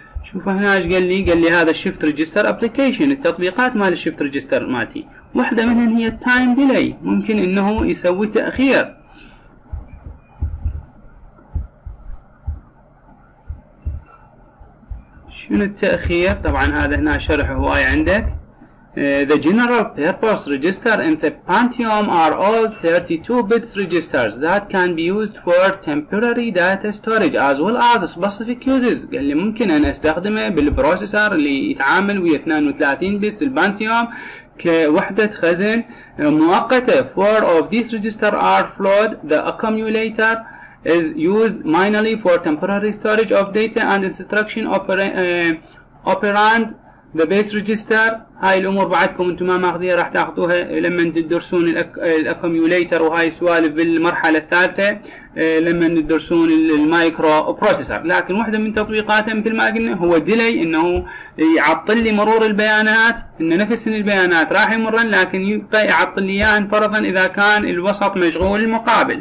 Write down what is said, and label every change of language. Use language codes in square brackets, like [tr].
[ar] شوف هنا ايش قال لي؟ قال لي هذا الشيفت ريجستر ابليكيشن، التطبيقات مال الشيفت ريجستر مالتي، واحدة منهم هي التايم ديلي، ممكن انه يسوي تأخير. شنو التأخير؟ طبعا هذا هنا شرح هواية عندك. [en] The general purpose register in the Pentium are all 32-bit registers that can be used for temporary data storage as well as specific uses. [ar] قال لي ممكن أن أستخدمه بالبروسيسور اللي يتعامل ويا 32-bit البنتيوم كوحدة خزن مؤقتة. [en] 4 of these registers are flawed. The accumulator is used minorly for temporary storage of data and instruction operand. The base register. [ar] هاي الامور بعدكم انتم ما ماخذيها، راح تاخذوها لما تدرسون الاكوميوليتر وهاي سوالف بالمرحله الثالثه لما تدرسون المايكرو بروسيسر. لكن واحده من تطبيقاته مثل ما قلنا هو ديلي، انه يعطل لي مرور البيانات، انه نفس البيانات راح يمرن لكن يبقى يعطل لي اياهن فرضا اذا كان الوسط مشغول المقابل.